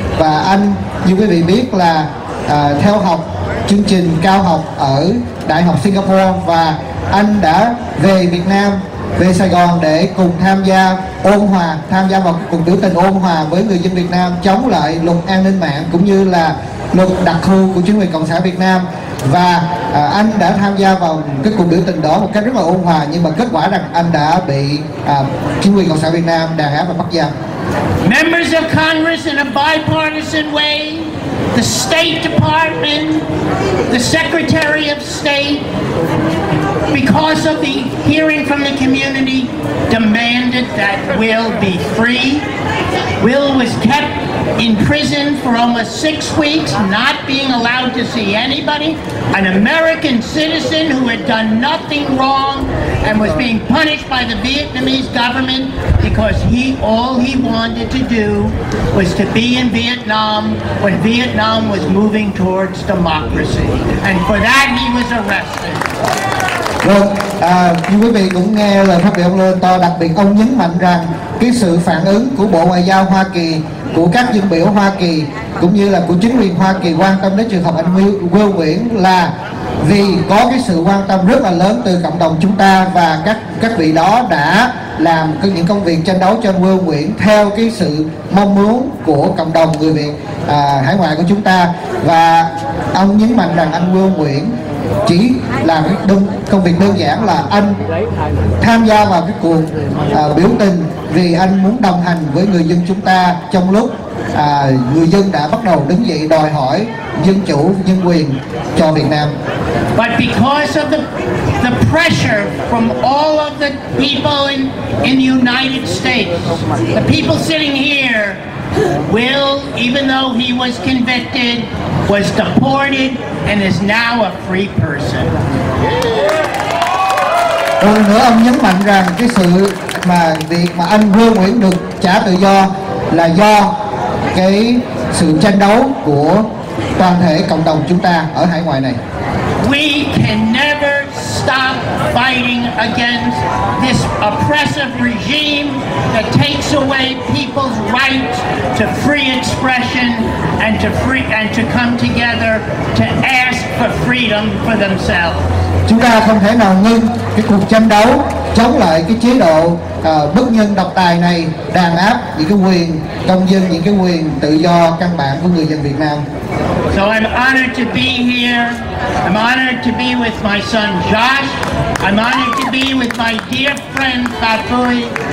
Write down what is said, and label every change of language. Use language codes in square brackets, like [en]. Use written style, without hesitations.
[vi] Và anh, như quý vị biết là theo học chương trình cao học ở Đại học Singapore, và anh đã về Việt Nam, về Sài Gòn để cùng tham gia vào cuộc biểu tình ôn hòa với người dân Việt Nam chống lại luật an ninh mạng cũng như là luật đặc khu của chính quyền Cộng sản Việt Nam. Và anh đã tham gia vào cái cuộc biểu tình đó một cách rất là ôn hòa, nhưng mà kết quả rằng anh đã bị chính quyền Cộng sản Việt Nam đàn áp và bắt giam. [en] Members of Congress, in a bipartisan way, the State Department, the Secretary of State, because of the hearing from the community, demanded that Will be free. Will was kept in prison for almost 6 weeks, not being allowed to see anybody. An American citizen who had done nothing wrong and was being punished by the Vietnamese government because all he wanted to do was to be in Vietnam when Vietnam was moving towards democracy. And for that he was arrested. [vi] Vâng, như quý vị cũng nghe lời phát biểu ông Lê Văn To, đặc biệt ông nhấn mạnh rằng cái sự phản ứng của Bộ Ngoại giao Hoa Kỳ, của các dân biểu Hoa Kỳ cũng như là của chính quyền Hoa Kỳ quan tâm đến trường hợp anh Will Nguyễn là vì có cái sự quan tâm rất là lớn từ cộng đồng chúng ta, và các vị đó đã làm những công việc tranh đấu cho anh Will Nguyễn theo cái sự mong muốn của cộng đồng người Việt hải ngoại của chúng ta. Và ông nhấn mạnh rằng anh Will Nguyễn chỉ làm công việc đơn giản là anh tham gia vào cái cuộc biểu tình vì anh muốn đồng hành với người dân chúng ta trong lúc người dân đã bắt đầu đứng dậy đòi hỏi dân chủ, nhân quyền cho Việt Nam. [en] But because of the pressure from all of the people in the United States, the people sitting here, Will, even though he was convicted, was deported and is now a free person. [vi] Hơn nữa, ông nhấn mạnh rằng cái sự mà việc mà anh Vương Nguyễn được trả tự do là do cái sự tranh đấu của toàn thể cộng đồng chúng ta ở hải ngoại này. [en] We can never stop fighting against this oppressive regime that takes away people's rights to free expression and to free and to come together to ask for freedom for themselves. [vi] Chúng ta không thể nào ngưng cái cuộc tranh đấu chống lại cái chế độ bất nhân độc tài này, đàn áp những cái quyền công dân, những cái quyền tự do căn bản của người dân Việt Nam. [en] So I'm honored to be here. I'm honored to be with my son Josh. I'm honored to be with my dear friend Fatui.